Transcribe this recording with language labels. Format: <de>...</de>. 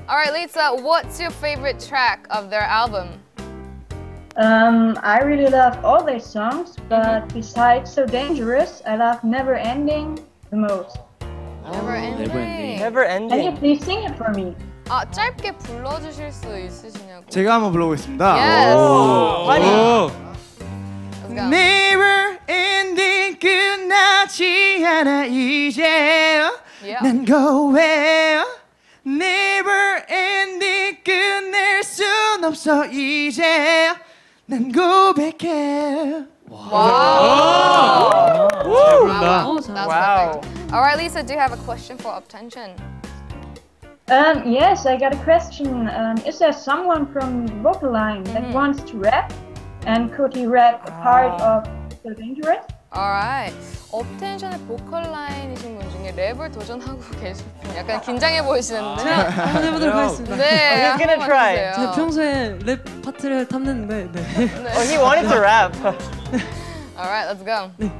<en>All right, Lisa, what's your favorite track of their album? I really love all their songs, but besides So Dangerous, I love Never Ending the most. Never ending. Never ending. Can you please sing it for me?</en> <ko>아, 짧게 불러주실 수 있으시냐고. 제가 한번 불러보겠습니다.</ko> <en>Yes.</en> <ko>많이. Never ending 끝나지 않아 이제.</ko> <en>Yeah.</en> <ko>난</ko> <en>go away.</en> <ko>Never ending 끝낼 순 없어 이제. 난 고백해.</ko> <en>Wow. Wow. Oh. Wow. Wow. That was wow. Perfect. All right, Lisa, do you have a question for UP10TION? Yes, I got a question. Is there someone from vocal line that wants to rap? And could he rap a part of So Dangerous? All right.</en> <ko>UP10TION의 보컬 라인이신 분 중에 랩을 도전하고 계신 분 약간 긴장해 보이시는데 제가 한번 해보도록 no. 하겠습니다 네,</ko> <en>He's gonna try</en> <ko>제가 평소에 랩 파트를 탐냈는데 네. 네.</ko> <en>Oh, he wanted to rap All right, let's go</en>